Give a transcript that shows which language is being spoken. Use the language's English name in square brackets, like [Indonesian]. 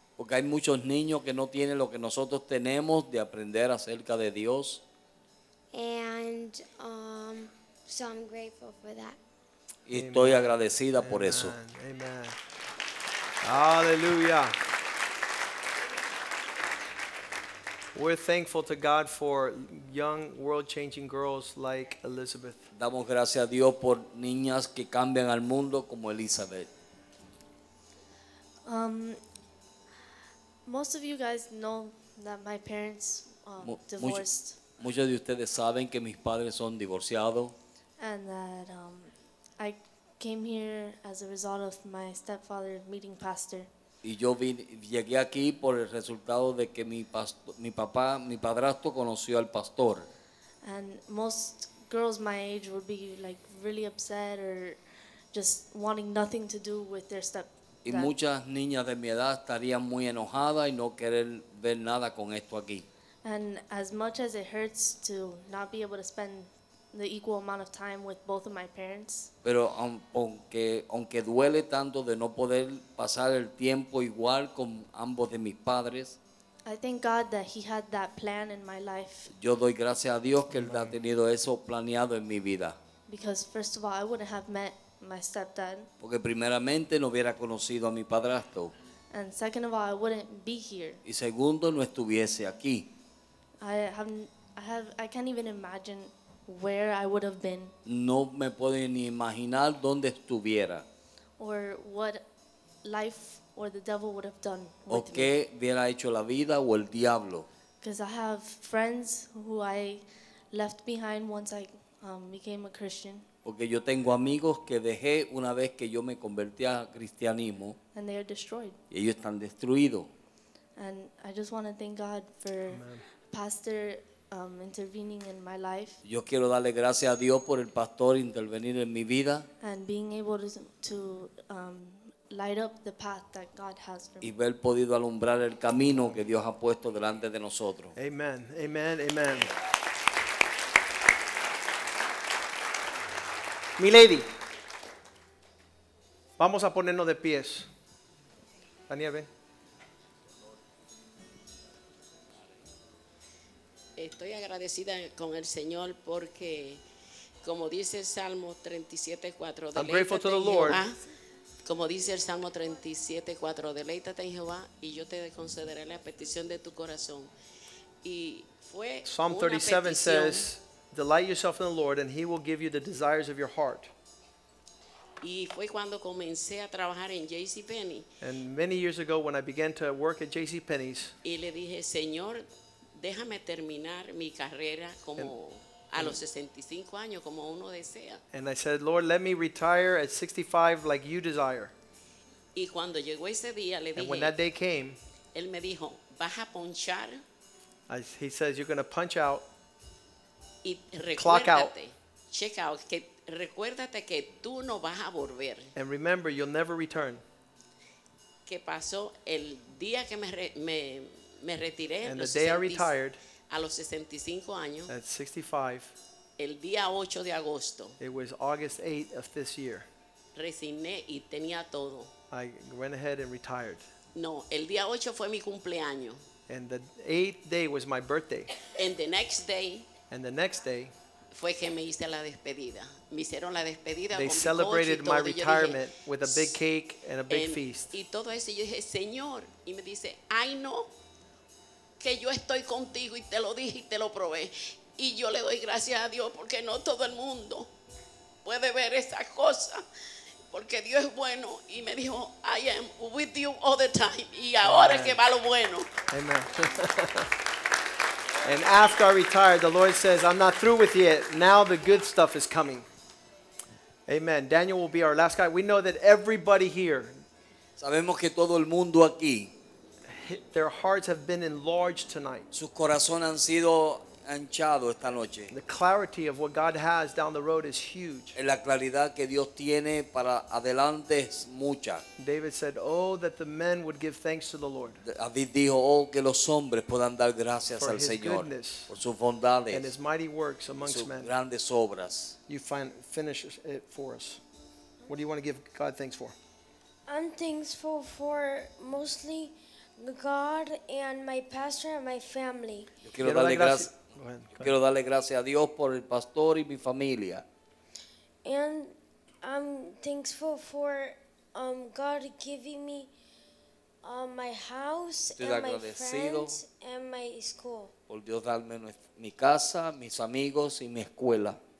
[Spanish] Porque hay muchos niños que no tienen lo que nosotros tenemos de aprender acerca de Dios. [English] And so I'm grateful for that. [Spanish] Y estoy agradecida Amen. Por eso. Amen. Hallelujah. [English] We're thankful to God for young world-changing girls like Elizabeth. [Spanish] Damos gracias a Dios por niñas que cambian al mundo como Elizabeth. [English] Most of you guys know that my parents divorced. [Spanish] Muchos de ustedes saben que mis padres son divorciados. [English] And that I came here as a result of my stepfather meeting pastor. [Spanish] Y yo llegué aquí por el resultado de que mi padrastro conoció al pastor. [English] And most girls my age would be like really upset or just wanting nothing to do with their stepfather. [Spanish] Y muchas niñas de mi edad estarían muy enojadas y no querer ver nada con esto aquí. [English] And as much as it hurts to not be able to spend the equal amount of time with both of my parents. [Spanish] Pero aunque duele tanto de no poder pasar el tiempo igual con ambos de mis padres. [English] I thank God that he had that plan in my life. [Spanish] Yo doy gracias a Dios que él ha tenido eso planeado en mi vida. [English] Because first of all, I wouldn't have met my stepdad. [Spanish] Porque primeramente no hubiera conocido a mi padrastro. [English] And second of all, I wouldn't be here. [Spanish] Y segundo, no estuviese aquí. [English] I can't even imagine where I would have been. [Spanish] No me puedo ni imaginar dónde estuviera. [English] Or what life or the devil would have done with [Spanish] o qué hubiera hecho la vida o el diablo. [English] Because I have friends who I left behind once I became a Christian. [Spanish] Porque yo tengo amigos que dejé una vez que yo me convertí a cristianismo. [English] And they are destroyed. [Spanish] Y ellos están destruidos. [English] And I just want to thank God for Amen. Pastor intervening in my life. [Spanish] Yo quiero darle gracias a Dios por el pastor intervenir en mi vida. [English] And being able to light up the path that God has for me. [Spanish] Y haber podido alumbrar el camino que Dios ha puesto delante de nosotros. Amen. Amen. Amen. Mi lady, vamos a ponernos de pies. Daniel, ven. Estoy agradecida con el Señor porque, como dice el Salmo 37:4, [English] I'm grateful to the Lord. [Spanish] Como dice el Salmo 37:4, deleítate en Jehová y yo te concederé la petición de tu corazón. Y fue [English] Psalm 37 says, delight yourself in the Lord and he will give you the desires of your heart. [Spanish] Y fue cuando comencé a trabajar en JCPenney. [English] And many years ago when I began to work at JCPenney's. [Spanish] Y le dije, Señor, déjame terminar mi carrera como a los 65 años como uno desea. [English] And I said, Lord, let me retire at 65 like you desire. [Spanish] Y cuando llegó ese día, le dije, [English] and when that day came, [Spanish] él me dijo, vas a ponchar. [English] He says, you're going to punch out. [Spanish] Y recuérdate, check out, que recuérdate que tú no vas a volver. [English] And remember, you'll never return. [Spanish] ¿Qué pasó el día que me retiré? [English] And the day I retired, [Spanish] a los 65 años, [English] at 65, [Spanish] el día 8 de agosto, [English] it was August 8 of this year, [Spanish] resigné y tenía todo. [English] I went ahead and retired. [Spanish] No, el día 8 fue mi cumpleaños. [English] And the 8th day was my birthday. And the next day, and the next day, [Spanish] fue que me hice la despedida. Me hicieron la despedida. They celebrated my retirement with a big cake and a big feast. Y todo eso, yo dije, Señor, y me dice, ay no, que yo estoy contigo y te lo dije y te lo probé. Y yo le doy gracias a Dios porque no todo el mundo puede ver esas cosas. Porque Dios es bueno y me dijo, [English] I am with you all the time. [Spanish] Y ahora es que va lo bueno. Amen. [English] And after I retired, the Lord says, I'm not through with you yet. Now the good stuff is coming. Amen. Daniel will be our last guy. We know that everybody here, [Spanish] sabemos que todo el mundo aquí, [English] their hearts have been enlarged tonight. [Spanish] Sus corazones han sido anchados esta noche. [English] The clarity of what God has down the road is huge. [Spanish] La claridad que Dios tiene para adelante es mucha. [English] David said, oh, that the men would give thanks to the Lord. [Spanish] David dijo, oh, que los hombres puedan dar gracias al Señor por sus bondades [English] and his mighty works amongst [Spanish] sus [English] men. [Spanish] Grandes obras. [English] You finish it for us. What do you want to give God thanks for? I'm thankful for mostly God and my pastor and my family. [Spanish] Quiero darle gracias a Dios por el pastor y mi familia. [English] And I'm thankful for God giving me my house and my friends and my school. [Spanish] Por Dios darme mi casa, mis amigos y mi escuela.